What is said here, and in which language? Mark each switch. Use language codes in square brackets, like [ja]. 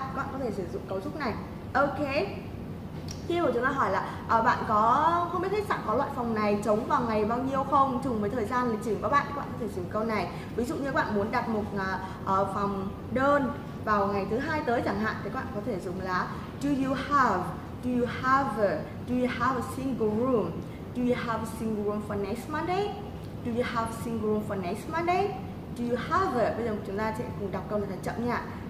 [vi] Các bạn có thể sử dụng cấu trúc này. Ok. Khi mà chúng ta hỏi là bạn có không biết khách sạn có loại phòng này trống vào ngày bao nhiêu không, trùng với thời gian lịch trình của các bạn có thể sử dụng câu này. Ví dụ như các bạn muốn đặt một phòng đơn vào ngày thứ hai tới chẳng hạn, thì các bạn có thể dùng là Do you have a single room? [en] Do you have a single room for next Monday? Do you have a single room for next Monday? [vi] Do you have a... Bây giờ chúng ta sẽ cùng đọc câu này thật chậm nha.